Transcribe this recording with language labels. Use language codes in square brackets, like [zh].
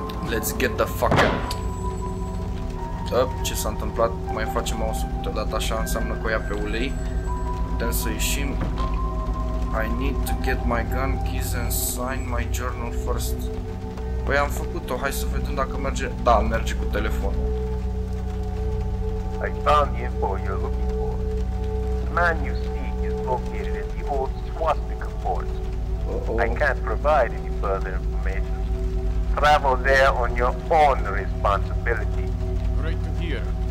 [en] Let's get the fuck out. [ro] Ce s-a întâmplat? Mai facem o scurtă dată așa, înseamnă că o ia pe ulei. Putem să ieșim. [en] I need to get my gun, keys and sign my journal first. [ro] Păi am făcut-o, hai să vedem dacă merge. Da, merge cu telefonul. [en] I found the info you're looking for. The man you seek is located at the old swastika fort. I can't provide any further information. Travel there on your own responsibility. Great to hear.